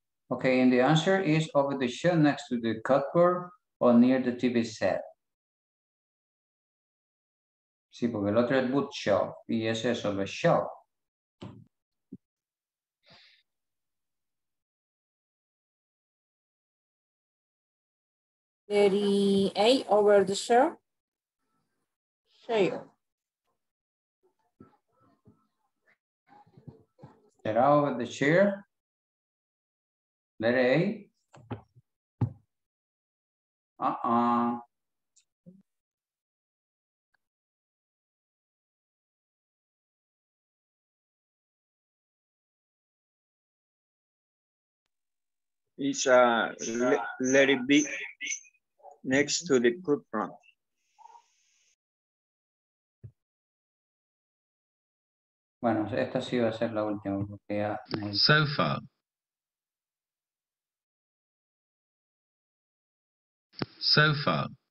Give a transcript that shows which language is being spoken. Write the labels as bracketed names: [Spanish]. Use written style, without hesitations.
[English] Okay, and the answer is over the shelf next to the cupboard or near the TV set. [Spanish] Sí, porque el otro es bookshelf y ese es sobre shelf. [English] Letter A, over the shelf. Chair. Get out of the chair. Letter A. It's a letter B next to the cook front. [Spanish] Bueno, esta sí va a ser la última porque ya. [English] Sofa. Sofa.